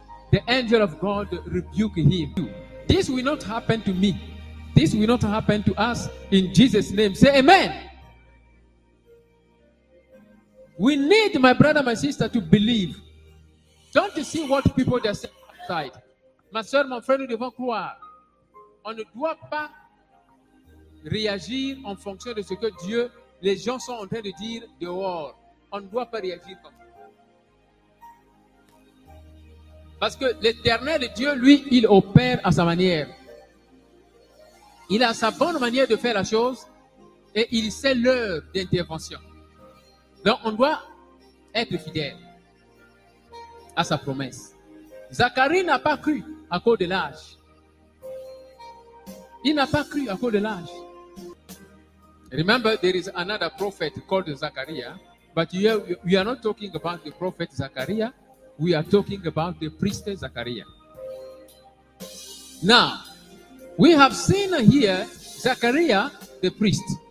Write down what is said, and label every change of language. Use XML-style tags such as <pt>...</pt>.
<en>The angel of God rebuked him. This will not happen to me. This will not happen to us, in Jesus' name. Say Amen. We need, my brother, my sister, to believe. Don't you see what people just say outside?</en> <fr>Ma soeur, mon frère, nous devons croire. On ne doit pas réagir en fonction de ce que Dieu, les gens sont en train de dire dehors. On ne doit pas réagir comme ça. Parce que l'Éternel Dieu, lui, il opère à sa manière. Il a sa bonne manière de faire la chose et il sait l'heure d'intervention. Donc on doit être fidèle à sa promesse. Zacharie n'a pas cru à cause de l'âge. Il n'a pas cru à cause de l'âge.</fr> <en>Remember, there is another prophet called Zachariah, but we are not talking about the prophet Zachariah. We are talking about the priest Zachariah. Now, we have seen here Zachariah the priest.</en>